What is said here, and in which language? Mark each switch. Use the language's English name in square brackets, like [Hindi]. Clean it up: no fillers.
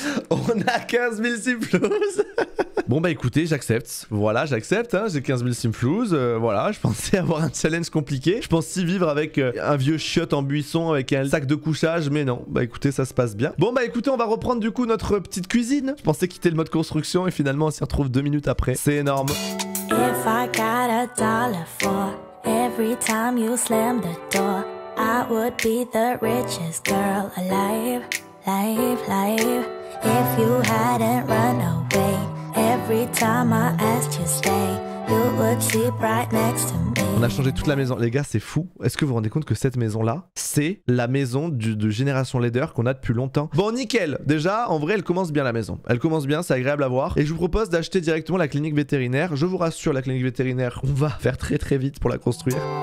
[French] On a 15 000 Simflouz. Bon bah écoutez, j'accepte. Voilà, j'accepte, hein, j'ai 15 000 Simflouz. Voilà, je pensais avoir un challenge compliqué. Je pensais vivre avec un vieux chiotte en buisson avec un sac de couchage, mais non. Bah écoutez, ça se passe bien. Bon bah écoutez, on va reprendre du coup notre petite cuisine. Je pensais quitter le mode construction et finalement on s'y retrouve 2 minutes après. C'est énorme. [English] If I got a dollar for every time you slam the door, I would be the richest girl alive. Life. If you hadn't run away, every time I asked you stay, you would sleep right next to me. [French] On a changé toute la maison. Les gars, c'est fou. Est-ce que vous vous rendez compte que cette maison-là, c'est la maison de Génération Leader qu'on a depuis longtemps? Bon, nickel. Déjà, en vrai, elle commence bien la maison. Elle commence bien, c'est agréable à voir. Et je vous propose d'acheter directement la clinique vétérinaire. Je vous rassure, la clinique vétérinaire, on va faire très très vite pour la construire.